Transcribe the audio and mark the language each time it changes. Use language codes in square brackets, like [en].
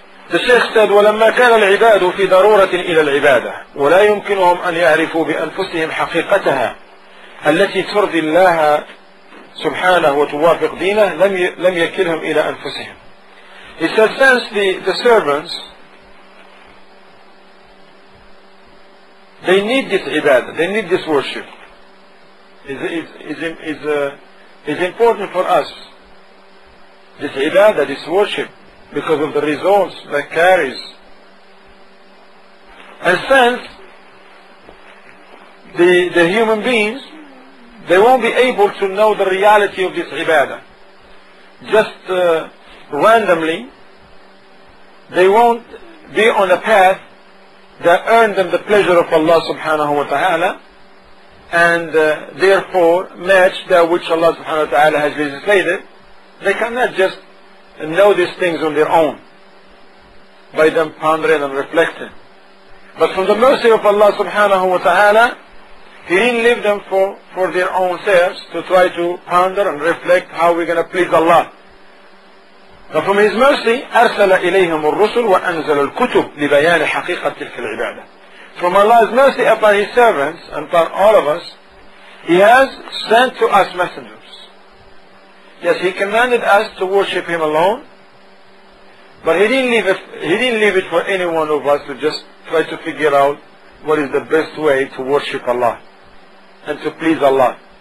[en] The Shaykh said, [ar] وَلَمَّا كَانَ الْعِبَادُ فِي ضَرُورَةٍ إِلَى الْعِبَادَةِ وَلَا يُمْكِنُهُمْ أَنْ يَعْرِفُوا بِأَنفُسِهِمْ حَقِيقَتَهَا الَّتِي تُرْضِي اللَّهَ سُبْحَانَهُ وَتُوَافِقْ دِينَهُ لَمْ يَكِلْهُمْ إِلَى أَنفُسِهِمْ. [en] He says, since the servants, they need this ibadah, they need this worship. It's important for us, this ibadah, this worship, because of the results that carries And since the human beings, they won't be able to know the reality of this ibadah. Just randomly, they won't be on a path that earned them the pleasure of Allah subhanahu wa ta'ala, and therefore match that which Allah subhanahu wa ta'ala has legislated. They cannot just know these things on their own by them pondering and reflecting. But from the mercy of Allah subhanahu wa ta'ala, He didn't leave them for their own selves to try to ponder and reflect how we're going to please Allah. But from His mercy, [ar] أَرْسَلَ إِلَيْهِمُ الرُّسُلُ وَأَنْزَلُ الْكُتُبُ لِبَيَانِ حَقِيقَةِ تِلْكَ الْعِبَادَةِ. [en] From Allah's mercy upon His servants and upon all of us, He has sent to us messengers. Yes, He commanded us to worship Him alone, but He didn't leave it for any one of us to just try to figure out what is the best way to worship Allah and to please Allah.